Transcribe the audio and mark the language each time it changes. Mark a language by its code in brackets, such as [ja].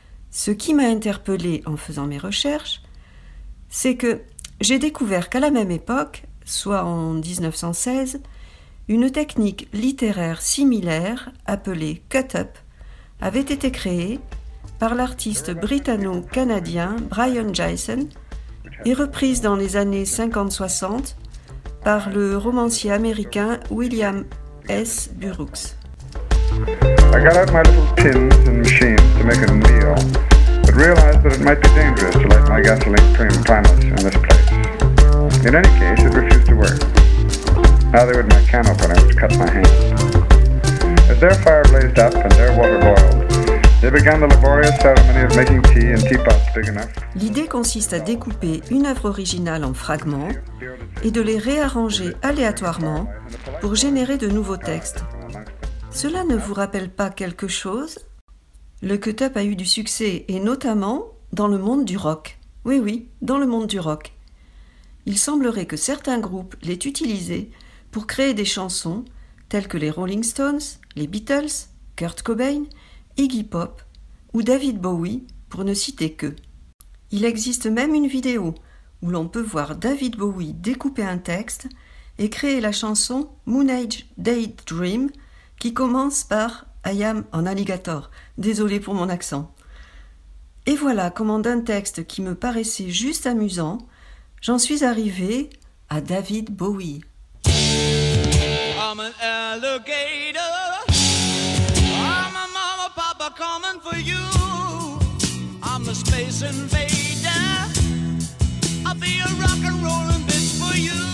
[fr] Ce qui m'a interpellée en faisant mes recherches, c'est que j'ai découvert qu'à la même époque, soit en 1916, une technique littéraire similaire, appelée cut-up, avait été créée par l'artiste britanno-canadien Brian Jason et reprise dans les années 50-60 par le romancier américain William S. Burroughs. [en] I got out my little tins and machines to make it a meal, but realized that it might be dangerous to let my gasoline cream primus in this place. In any case, it refused to work. Neither would my can opener, which cut my hand. As their fire blazed up and their water boiled, they began the laborious ceremony of making tea in teapots big enough. [fr] L'idée consiste à découper une œuvre originale en fragments et de les réarranger aléatoirement pour générer de nouveaux textes. Cela ne vous rappelle pas quelque chose? Le cut-up a eu du succès, et notamment dans le monde du rock. Oui, oui, dans le monde du rock. Il semblerait que certains groupes l'aient utilisé pour créer des chansons telles que les Rolling Stones, les Beatles, Kurt Cobain, Iggy Pop ou David Bowie, pour ne citer qu'eux. Il existe même une vidéo où l'on peut voir David Bowie découper un texte et créer la chanson « Moon Age Daydream » qui commence par « [en] I am an alligator [fr] », désolé pour mon accent. Et voilà comment d'un texte qui me paraissait juste amusant, j'en suis arrivée à David Bowie. [en] I'm an alligator, I'm a mama papa coming for you, I'm the space invader, I'll be a rock and rolling bitch for you.